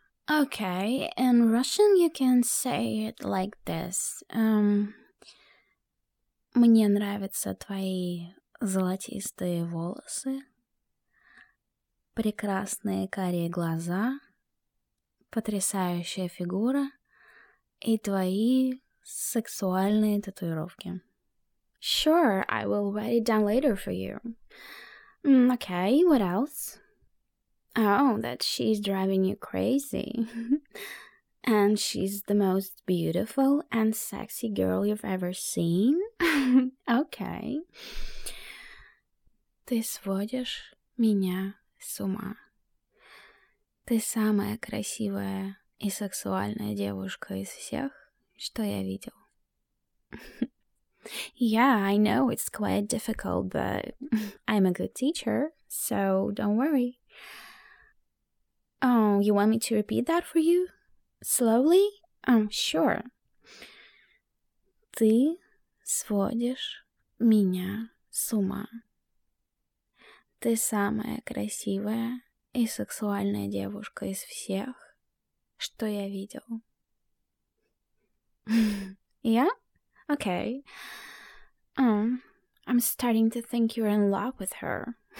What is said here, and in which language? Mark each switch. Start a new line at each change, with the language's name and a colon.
English: Okay, in Russian you can say it like this.
Russian: Мне нравятся твои золотистые волосы, прекрасные карие глаза, потрясающая фигура и твои сексуальные татуировки.
English: Sure, I will write it down later for you. Okay, what else? Oh, that she's driving you crazy. And she's the most beautiful and sexy girl you've ever seen? Okay.
Russian: Ты сводишь меня с ума. Ты самая красивая и сексуальная девушка из всех, что я видел.
English: Yeah, I know it's quite difficult, but I'm a good teacher, so don't worry. Oh, you want me to repeat that for you? Slowly? Sure.
Russian: Ты сводишь меня с ума. Ты самая красивая и сексуальная девушка из всех, что я видел.
English: Yeah? Okay. I'm starting to think you're in love with her.